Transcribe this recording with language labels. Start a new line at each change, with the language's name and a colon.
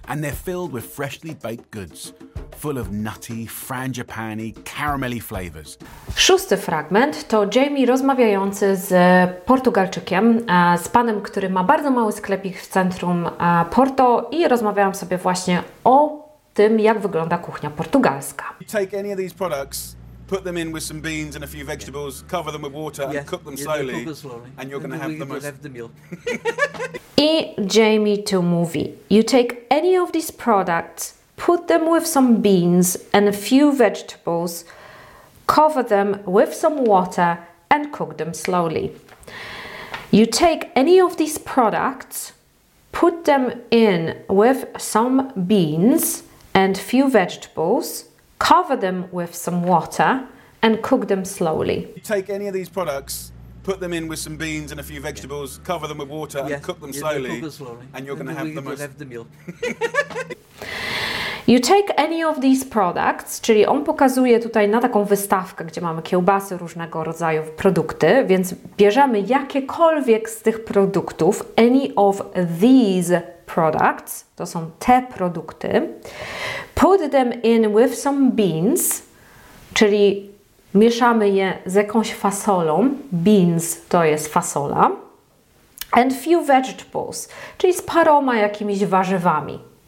English: And they're filled with freshly baked goods. Full of nutty, frangipani, caramelly flavors.
Polish: Szósty fragment to Jamie rozmawiający z Portugalczykiem, z panem, który ma bardzo mały sklepik w centrum Porto, i rozmawiałam sobie właśnie o tym, jak wygląda kuchnia portugalska.
English: You take any of these products, put them in with some beans and a few vegetables, yeah. cover them with water yeah. and cook them slowly. Yeah, cook them slowly. And you're going to have the most... have the meal.
Polish: I Jamie to movie.
English: You take any of these products, put them with some beans and a few vegetables, cover them with some water and cook them slowly. You take any of these products, put them in with some beans and few vegetables, cover them with some water and cook them slowly. You take any of these products, put them in with some beans and a few vegetables, yeah. cover them with water and yes. cook them slowly, yeah, cook slowly. And you're going to have the most... have the meal. You take any of these products,
Polish: czyli on pokazuje tutaj na taką wystawkę, gdzie mamy kiełbasy, różnego rodzaju produkty, więc bierzemy jakiekolwiek z tych produktów,
English: any of these products,
Polish: to są te produkty,
English: put them in with some beans,
Polish: czyli mieszamy je z jakąś fasolą, beans to jest fasola,
English: and few vegetables,
Polish: czyli z paroma jakimiś warzywami.